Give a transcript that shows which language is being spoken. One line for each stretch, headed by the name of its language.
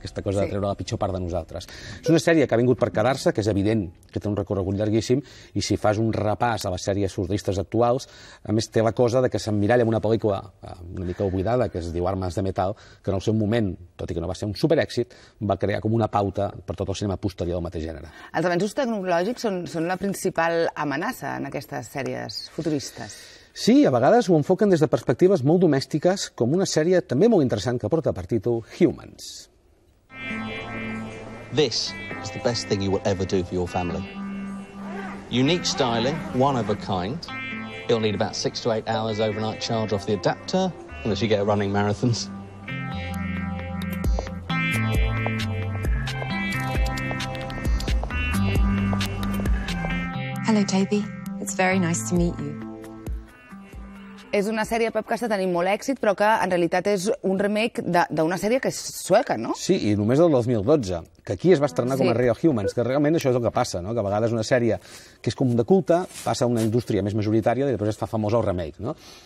Catalan: Aquesta cosa de treure la pitjor part de nosaltres. És una sèrie que ha vingut per quedar-se, que és evident que té un recorregut llarguíssim, i si fas un repàs a les sèries surrealistes actuals, a més té la cosa de que s'emmiralla en una pel·lícula una mica oblidada, que es diu Armes de Metal, que en el seu moment, tot i que no va ser un superèxit, va crear com una pauta per tot el cinema posterior del mateix gènere. Els avenços tecnològics són la principal amenaça en aquestes sèries futuristes. Sí, a vegades ho enfoquen des de perspectives molt domèstiques, com una sèrie també molt interessant que porta per títol Humans.
English: This is the best thing you will ever do for your family. Unique styling, one of a kind. You'll need about 6 to 8 hours overnight charge off the adapter, unless you get running marathons. Hello, Toby. It's very nice to meet you.
Catalan: És una sèrie, Pep, que està tenint molt èxit, però que en realitat és un remake d'una sèrie que és sueca, no? Sí, i només del 2012, que aquí es va estrenar com a Real Humans, que realment això és el que passa, no? Que a vegades una sèrie que és com de culte passa a una indústria més majoritària i després es fa famós el remake, no?